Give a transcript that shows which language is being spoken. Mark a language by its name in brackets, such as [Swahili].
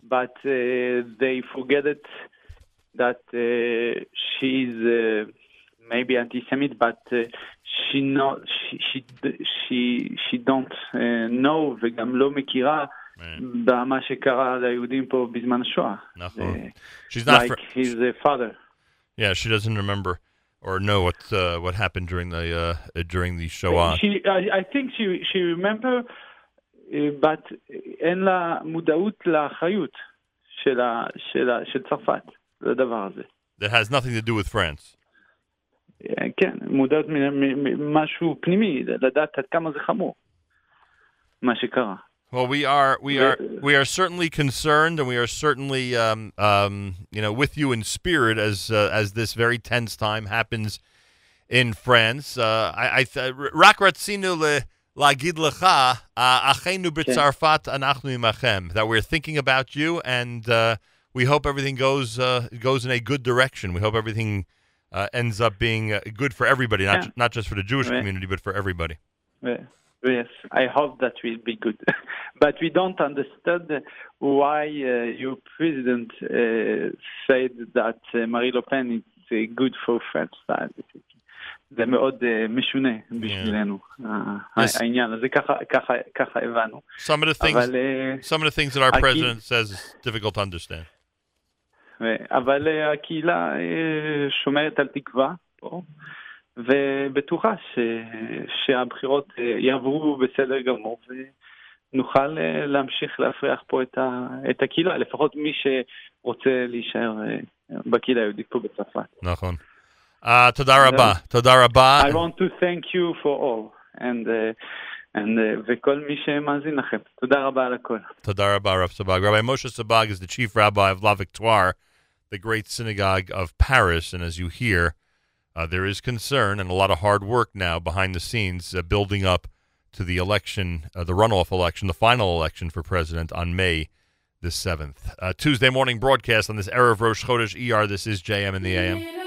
[English] But they forget it that she's maybe anti-Semitic, but she don't know [Hebrew] וגם לא מכירה במה שקרה ליהודים פה בזמן השואה. [English] She's not like his father. Yeah, she doesn't remember or know what happened during the Shoah. I think she remember, but [Hebrew] אין לה מודעות לאחריות של צרפת לדבר הזה. [English] That has nothing to do with France. [Hebrew] כן, מודעות ממשהו פנימי, לדעת עד כמה זה חמור, מה שקרה. [English] Well, we are certainly concerned, and we are certainly with you in spirit as this very tense time happens in France. [Hebrew] Rak ratzinu lagid lecha achenu b'tzarfat anachnu imachem, [English] that we're thinking about you, and we hope everything goes in a good direction. We hope everything ends up being good for everybody, not just for the Jewish community, but for everybody. Yes, I hope that will be good. But we don't understand why your president said that Marie Le Pen is good for France. [Hebrew] זה מאוד משונה בשבילנו. העניין הזה, ככה הבנו. [English] Some of the things that our president says is difficult to understand. [Hebrew] אבל הקהילה שומרת על תקווה פה. ובטוחה שהבחירות יעברו בסדר גמור ונוכל להמשיך להפריח פה את הקהילה, לפחות מי שרוצה להישאר בקהילה היהודית פה בצרפת. נכון. תודה רבה. תודה רבה. I want to thank you for all and וכל מי שמאזין לכם. תודה רבה על הכל. תודה רבה, רב סבג. [English] רבי משה סבג is the chief rabbi of La Victoire, the great synagogue of Paris, and as you hear, there is concern and a lot of hard work now behind the scenes building up to the election, the runoff election, the final election for president on May the 7th. Tuesday morning broadcast on this Erev Rosh Chodesh ER. This is JM in the AM.